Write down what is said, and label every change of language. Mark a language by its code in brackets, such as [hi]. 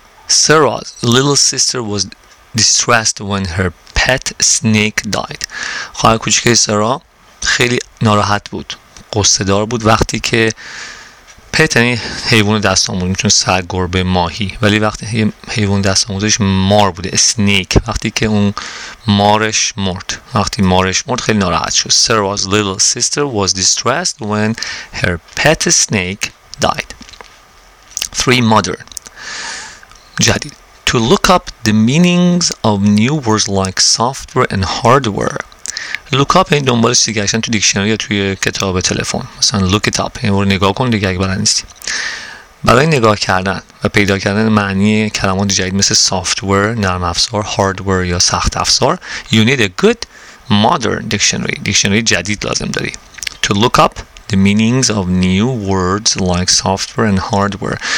[en] Sarah's little sister was distressed when her pet snake died. [fa] خواهر کوچک سارا خیلی ناراحت بود. غصه دار بود وقتی که پت یعنی حیوان دست آموز میتونه سگ گربه ماهی ولی وقتی حیوان دست آموزش مار بوده سنیک وقتی که اون مارش مرد خیلی ناراحت شد. [en] Sarah's little sister was distressed when her pet snake died. Three modern. جدید. To look up the meanings of new words like software and hardware. Look up [fa] این دنبال چیزی گشتن تو دیکشنری یا توی کتاب تلفن. [en] مثلا look it up. [fa] این رو نگاه کن دیگه اگه بلد نیستی. برای نگاه کردن و پیدا کردن معنی کلمات جدید مثل software, نرم افزار, hardware یا سخت افزار [en] you need a good modern dictionary. [fa] دیکشنری جدید لازم داری. [en] To look up the meanings of new words like software and hardware.